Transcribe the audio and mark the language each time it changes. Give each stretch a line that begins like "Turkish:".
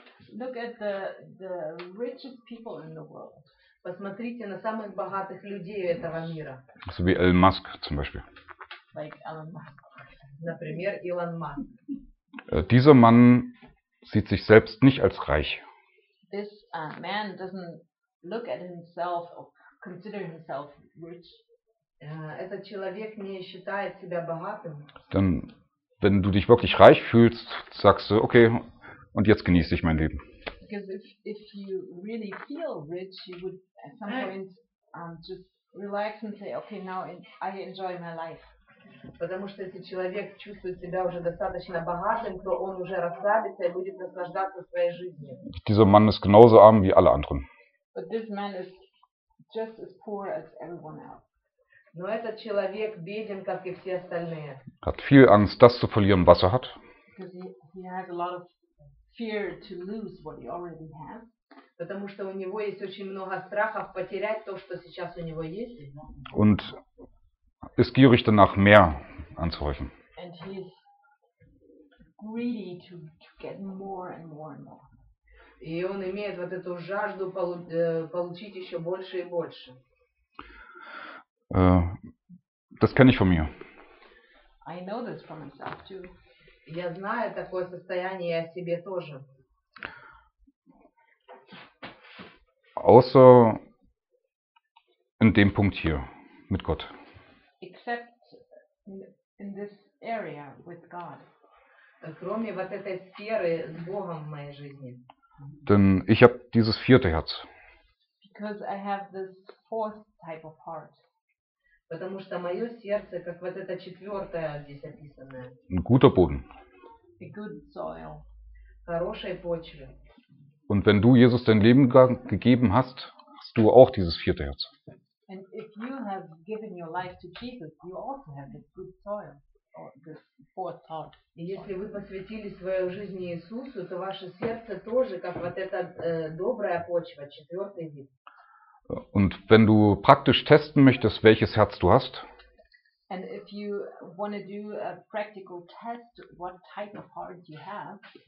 English: Look at the richest people in the world.
Russian: Посмотрите на самых богатых людей этого мира.
German: So wie Elon Musk zum Beispiel.
English: Like Elon Musk.
Russian: Например, Elon Musk.
German: Dieser Mann sieht sich selbst nicht als reich.
English: This man doesn't look at himself or consider himself rich.
Russian: Этот человек не считает себя богатым.
German: Dann, wenn du dich wirklich reich fühlst, sagst du, okay, und jetzt genieße ich mein Leben.
English: because if you really feel rich, you would at some point just relax and say, okay, now I enjoy my life.
Russian: Потому что если человек чувствует себя уже достаточно богатым, то он уже расслабится и будет наслаждаться своей жизнью.
German: Dieser Mann ist genauso arm wie alle anderen.
English: But this man is just as poor as everyone else.
Russian: Но этот человек беден, как и все остальные.
German: Hat viel Angst, das zu verlieren, was er hat.
English: Because he has a lot of fear to lose what he already has.
Russian: Потому что у него есть очень много страхов потерять то, что сейчас у него есть.
German: Und ist gierig danach, mehr anzuhäufen.
English: And he is greedy to get more and more and more.
Russian: И он имеет вот эту жажду получить еще больше и больше.
German: Das kenne ich von mir.
English: I know this from myself too.
Russian: Я знаю такое состояние о себе тоже.
German: Außer in dem Punkt hier, mit Gott.
English: Except in this area with God.
Russian: Кроме вот этой сферы с Богом в моей жизни.
German: Denn ich habe dieses vierte Herz.
English: Because I have this fourth type of heart.
Russian: Потому что мое сердце, как вот это четвертое здесь описанное.
German: Ein guter Boden.
English: A good soil.
Russian: Хорошая почва.
German: Und wenn du Jesus dein Leben gegeben hast, hast du auch dieses vierte Herz.
English: And if you have given your life to Jesus, you also have this good soil, or this fourth heart.
Russian: И если вы посвятили свою жизнь Иисусу, то ваше сердце тоже, как вот эта добрая почва, четвертый вид.
German: Und wenn du praktisch testen möchtest, welches Herz du hast,
English: and if you want to do a practical test, what type of heart you have,